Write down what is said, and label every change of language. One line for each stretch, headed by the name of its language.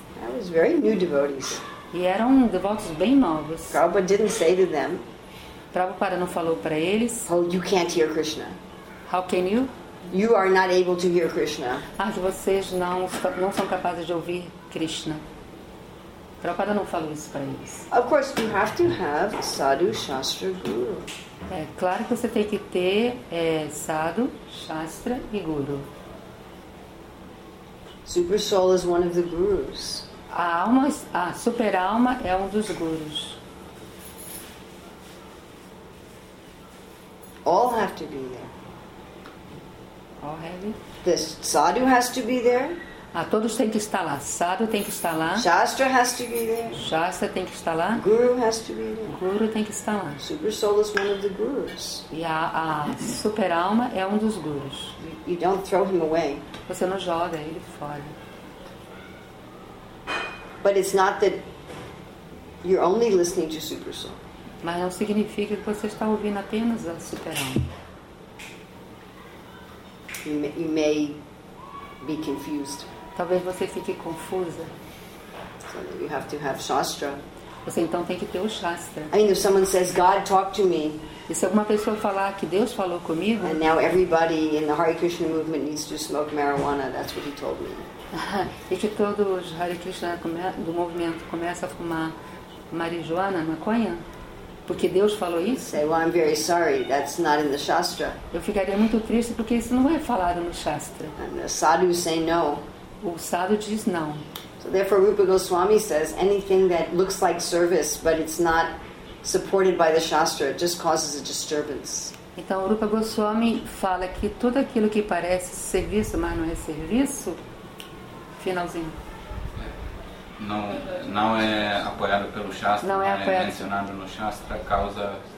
English: That was very new devotees.
Portuguese: E eram devotos bem novos.
English: Prabhupada didn't say to them.
Portuguese: Prabhupada não falou para eles.
English: Oh, you can't hear Krishna. How can you? You are not able to hear Krishna.
Portuguese: Ah, que vocês não são capazes de ouvir Krishna. Prabhupada não falou isso para eles.
English: Of course, you have to have sadhu, shastra, guru.
Portuguese: É claro que você tem que ter sadhu, shastra e guru.
English: Super soul is one of the gurus.
Portuguese: A super alma é um dos gurus.
English: All have to be there. All have. The sadhu has to be there.
Portuguese: Ah, todos têm que estar lá. Sadhu tem que estar lá.
English: Shastra has to be there.
Portuguese: Shastra tem que estar lá.
English: Guru has to be there.
Portuguese: Guru tem que estar lá.
English: Super soul is one of the gurus.
Portuguese: E a super alma é um dos gurus.
English: You don't throw him away.
Portuguese: Você não joga ele fora.
English: But it's not that you're only listening to super soul.
Portuguese: Mas não significa que você está ouvindo apenas a super alma.
English: You may be confused.
Portuguese: Talvez você fique confusa.
English: So you have to have shastra.
Portuguese: Você então tem que ter o shastra.
English: I mean, if someone says God talked to me.
Portuguese: E se alguma pessoa falar que Deus falou comigo?
English: And now everybody in the Hare Krishna movement needs to smoke marijuana. That's what he told me.
Portuguese: E que todos os Hare Krishna do movimento começam a fumar marijuana, maconha? Porque Deus falou isso?
English: Say, well, I'm very sorry. That's not in the shastra.
Portuguese: Eu ficaria muito triste porque isso não é falado no shastra.
English: And the sadhu say no.
Portuguese: O sadhu diz não.
English: So therefore, Rupa Goswami says anything that looks like service but it's not supported by the shastra just causes a disturbance.
Portuguese: Então Rupa Goswami fala que tudo aquilo que parece serviço mas não é serviço, finalzinho. Não é apoiado pelo shastra, não é mencionado no shastra, causa